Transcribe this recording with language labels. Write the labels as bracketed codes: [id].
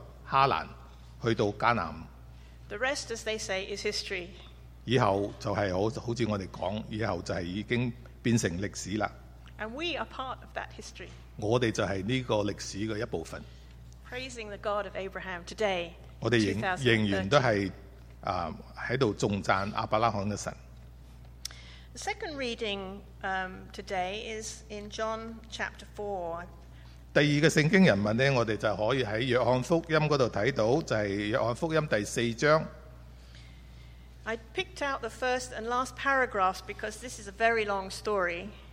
[zh] 亞伯蘭是帶著他的全家的人和全家的僕人都離開了哈蘭去到迦南。 [en] The rest, as they say, is history. [zh] 以後就是好像我們說,以後就已經變成歷史了。 [en] And we are part of that history. [zh] 我們就是這個歷史的一部分。 [en] Praising the God of Abraham today, [zh] 我們仍然都是 在颂赞亚伯拉罕的神。 [en] The second reading today is in John chapter 4. [zh] 第二个圣经人物呢, 我们就可以在约翰福音那里看到, 就是约翰福音第四章。 [en] I picked out the first and last paragraphs because this is a very long story.